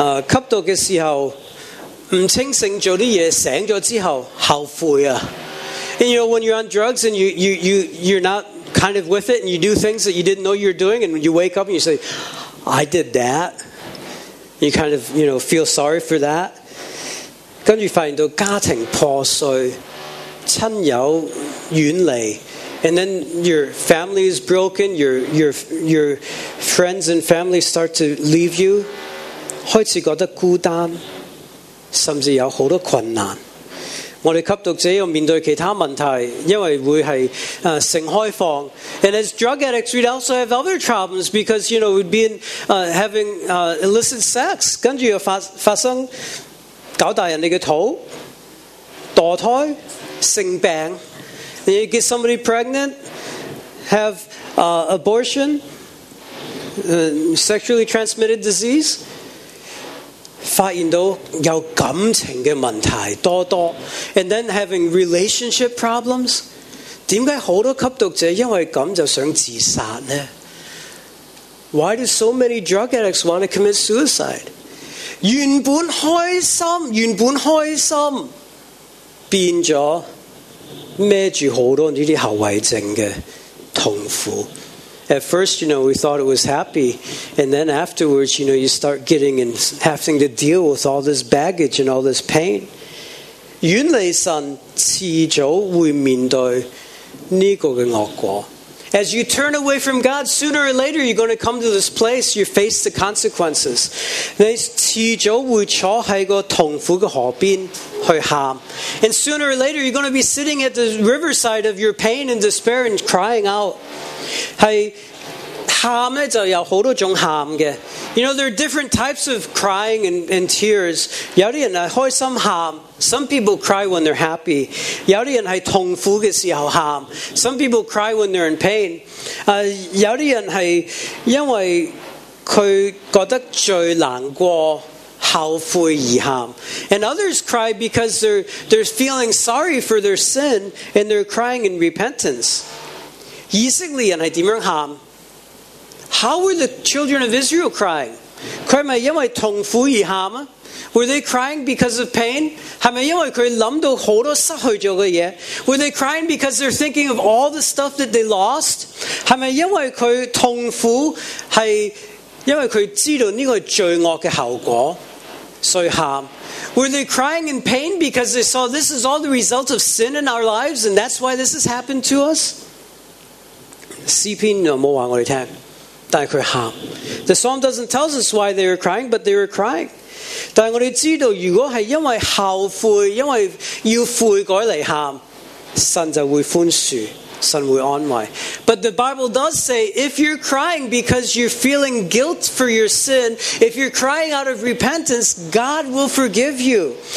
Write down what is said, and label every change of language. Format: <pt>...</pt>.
<yue>吸毒嘅时候唔清醒做啲嘢，醒咗之后后悔啊。</yue> <en>And you know when you're on drugs and you're not kind of with it and you do things that you didn't know you're doing and you wake up and you say, I did that. You kind of you know feel sorry for that.</en> <yue>跟住发现到家庭破碎，亲友远离。</yue> <en>And then your family is broken, your friends and family start to leave you.</en> <yue>開始覺得孤單，甚至有好多困難。我哋吸毒者要面对其他问题，因为会系性开放。</yue> <en>And as drug addicts, we'd also have other problems because you know we'd be having illicit sex.</en> <yue>跟住又發生搞大人哋嘅肚、墮胎、性病。</yue> <en>You get somebody pregnant, have abortion, sexually transmitted disease.</en> <yue>发现到有感情嘅问题多多</yue> <en>and then having relationship problems.</en> <yue>点解好多吸毒者因为咁就想自杀呢 ？</yue> <en>Why do so many drug addicts want to commit suicide?</en> <yue>原本开心，原本开心，变咗。孭住好多呢啲后遗症嘅痛苦。</yue> <en>At first, you know, we thought it was happy, and then afterwards, you know, you start getting and having to deal with all this baggage and all this pain.</en> <yue>远离神，迟早会面对呢个嘅恶果。</yue> <en>As you turn away from God, sooner or later, you're going to come to this place. You face the consequences.</en> <yue>你迟早会坐喺个痛苦嘅河边去喊</yue> <en>and sooner or later, you're going to be sitting at the riverside of your pain and despair and crying out.</en> <yue>系喊咧就有好多种喊嘅</yue> <en>You know, there are different types of crying and tears.</en> <yue>有啲人系开心喊。</yue> <en>Some people cry when they're happy.</en> <yue>有啲人係痛苦嘅時候喊。</yue> <en>Some people cry when they're in pain.</en> <yue>有啲人係因為佢覺得最難過後悔而喊。</yue> <en>And others cry because they're feeling sorry for their sin and they're crying in repentance.</en> <yue>以色列人係點樣喊 ？</yue> <en>How were the children of Israel crying?</en> <yue>佢係咪因為痛苦而喊啊？</yue> <en>Were they crying because of pain?</en> <yue>係咪因為佢諗到好多失去咗嘅嘢 ？</yue> <en>Were they crying because they're thinking of all the stuff that they lost?</en> <yue>係咪因為佢痛苦係因為佢知道呢個罪惡嘅後果，所以喊 ？</yue> <en>Were they crying in pain because they saw this is all the result of sin in our lives and that's why this has happened to us?</en> <yue>詩篇就冇話我哋聽，但係佢喊。</yue> <en>The psalm doesn't tell us why they were crying, but they were crying.</en> <yue>但我哋知道，如果系因为后悔，因为要悔改嚟喊，神就会宽恕，神会安慰。</yue> <en>But the Bible does say, if you're crying because you're feeling guilt for your sin, if you're crying out of repentance, God will forgive you.</en>